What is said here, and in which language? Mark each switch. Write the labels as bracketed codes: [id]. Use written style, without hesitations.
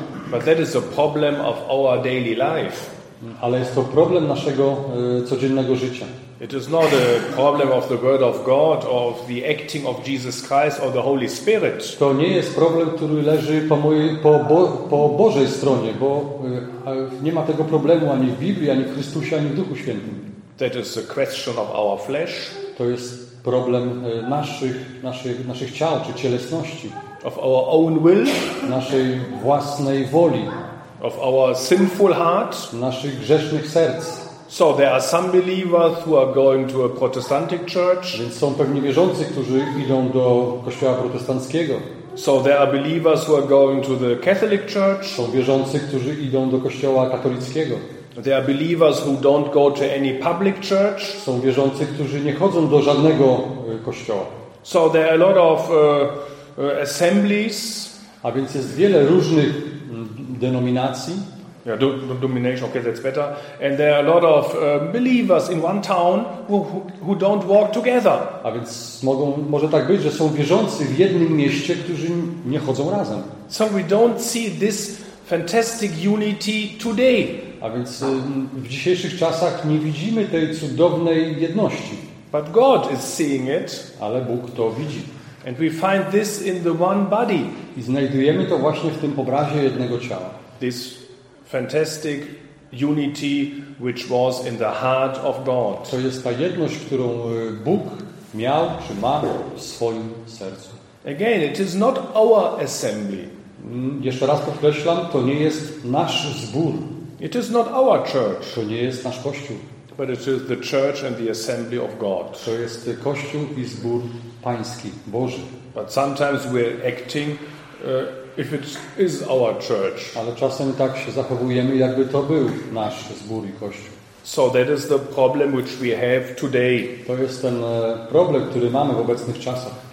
[en] But that is a problem of our daily life. [pl] Ale jest to problem naszego codziennego życia. [en] It is not a problem of the word of God or of the acting of Jesus Christ or the Holy Spirit. [pl] To nie jest problem, który leży po Bożej stronie, bo nie ma tego problemu ani w Biblii, ani w Chrystusie, ani w Duchu Świętym. [en] That is a question of our flesh. [pl] To jest problem naszych ciał czy cielesności, [en] of our own will, [pl] naszej własnej woli, [en] of our sinful heart, [pl] naszych grzesznych serc. [en] So there are some believers who are going to a Protestantic church. [pl] Więc są pewni wierzący, którzy idą do kościoła protestanckiego. [en] So there are believers who are going to the Catholic church. [pl] Są wierzący, którzy idą do kościoła katolickiego. [en] There are believers who don't go to any public church. [pl] Są wierzący, którzy nie chodzą do żadnego kościoła. [en] So there are a lot of assemblies. [pl] A więc jest wiele różnych denominacji. [en] Yeah, denomination. Okay, that's better. And there are a lot of believers in one town who don't walk together. [pl] A więc może tak być, że są wierzący w jednym mieście, którzy nie chodzą razem. [en] So we don't see this fantastic unity today. [pl] A więc w dzisiejszych czasach nie widzimy tej cudownej jedności. [en] But God is seeing it. [pl] Ale Bóg to widzi. [en] And we find this in the one body. [pl] I znajdujemy to właśnie w tym obrazie jednego ciała. [en] This fantastic unity which was in the heart of God. [pl] To jest ta jedność, którą Bóg miał czy ma w swoim sercu. [en] Again, it is not our assembly. [pl] Jeszcze raz podkreślam, to nie jest nasz zbór. [en] It is not our church. [pl] To nie jest nasz kościół. [en] But it is the church and the assembly of God. [pl] To jest kościół i zbór pański, Boży. [en] But sometimes we are acting if it is our church. [pl] Ale czasem tak się zachowujemy, jakby to był nasz zbór i kościół. [en] So that is the problem which we have today. [pl] To jest ten problem, który mamy w obecnych czasach.